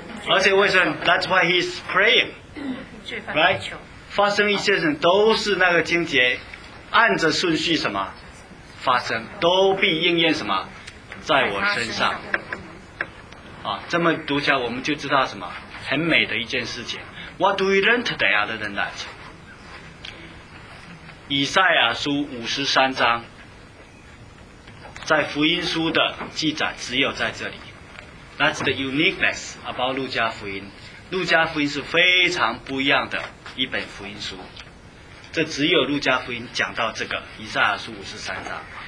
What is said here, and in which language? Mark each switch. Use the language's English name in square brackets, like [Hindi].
[Chinese] 而且为什么 ？ [English] That's why he is praying。Right？ [Chinese] 发生一些事都是那个经节按着顺序什么发生，都必应验什么在我身上。啊，这么读起来我们就知道什么很美的一件事情。 [English] What do we learn today other than that? [Chinese] 以赛亚书五十三章在福音书的记载只有在这里。 [English] That's the uniqueness about 路加福音。 [Chinese] 路加福音是非常不一样的一本福音书，这只有路加福音讲到这个以赛亚书五十三章。